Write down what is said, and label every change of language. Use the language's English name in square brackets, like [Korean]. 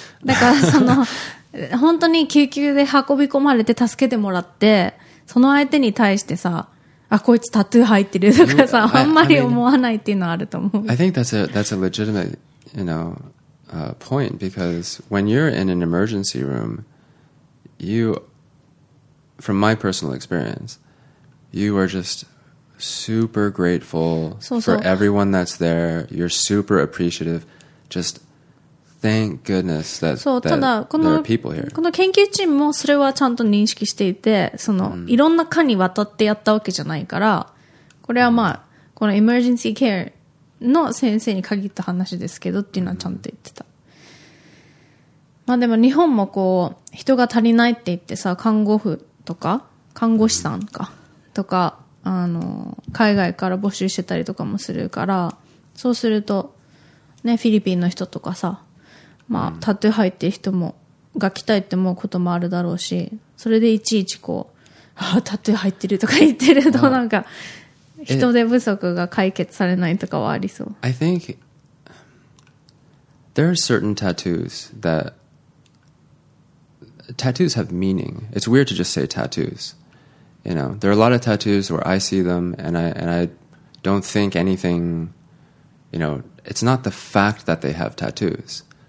[Japanese] だからその本当に救急で運び込まれて助けてもらって、その相手に対してさ。あ、こいつタトゥー入ってるとかさ、あんまり思わないっていうのはあると思う。 [English] I think that's a legitimate, you know, point, because when you're in an emergency room, you, from my personal experience, you are just super grateful for everyone that's there. You're super appreciative. Just thank goodness that there are people here. [Japanese] この研究チームもそれはちゃんと認識していて、その、いろんな科にわたってやったわけじゃないから、これはまあ、このエマージェンシーケアの先生に限った話ですけどっていうのはちゃんと言ってた。まあでも日本もこう、人が足りないって言ってさ、看護婦とか、看護師さんか、とか、海外から募集してたりとかもするから、そうすると、ね、フィリピンの人とかさ、まあ、タトゥー入ってる人も、が来たいって思うこともあるだろうし、それでいちいちこう、ああ、タトゥー入ってるとか言ってると、なんか、人手不足が解決されないとかはありそう。 [English] I think, there are certain tattoos that, tattoos have meaning. It's weird to just say tattoos. You know, there are a lot of tattoos where I see them, and I don't think anything, you know, it's not the fact that they have tattoos.